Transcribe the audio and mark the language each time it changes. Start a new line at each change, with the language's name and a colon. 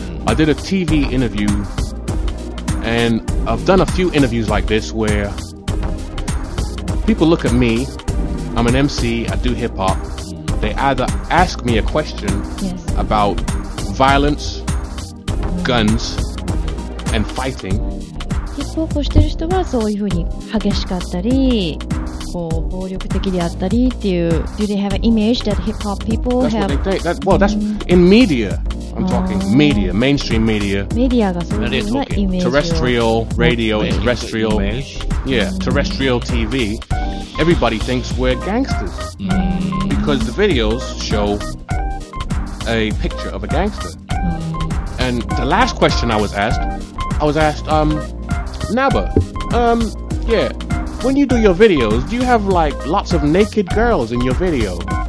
English: I did a TV interview, and I've done a few interviews like this where people look at me, I'm an MC, I do hip-hop, they either ask me a question about violence, guns, and fighting.
Japanese: Hip-hop をしてる人はそういうふうに激しかったり、こう暴力的であったりっていう。
English: Do they have an image that hip-hop people that's have? That's what they think. That, well, that's in media. I'm talking media, mainstream media.
Japanese: Media がそういうふうなイメージを。
English: Terrestrial radio, terrestrial image. Yeah, terrestrial TV. Everybody thinks we're gangsters. Because the videos show a picture of a gangster. And the last question I was asked, Naba, yeah, when you do your videos, do you have like lots of naked girls in your video?